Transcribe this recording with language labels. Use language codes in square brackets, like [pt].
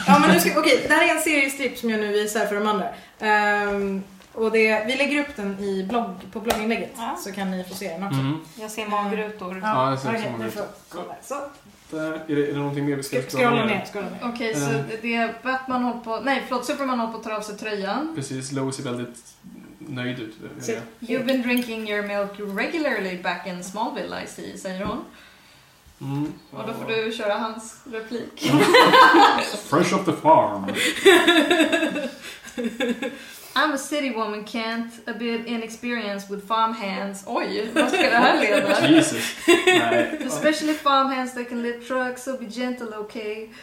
[sv] Ja, men okej, det här är en seriestrip som jag nu visar för de andra. Och det, vi lägger upp den i på blogginlägget. Ja. Så kan ni få se den också. Jag ser magrutor. Ja, jag ser också magrutor. Är det någonting mer vi ska skriva ner? Okej, så det är Batman håller på... Nej, förlåt, Superman håller på att ta av sig tröjan. Precis, Lois är väldigt nöjd ut. [en] So, you've been drinking your milk regularly back in Smallville, I see, [sv] säger hon. Och då får du köra hans replik. [en] Fresh off the farm. I'm a city woman, can't a bit inexperienced with farmhands. [sv] Oj, vad ska det här leda? [en] Jesus. Especially farmhands that can lift trucks, so be gentle, okay?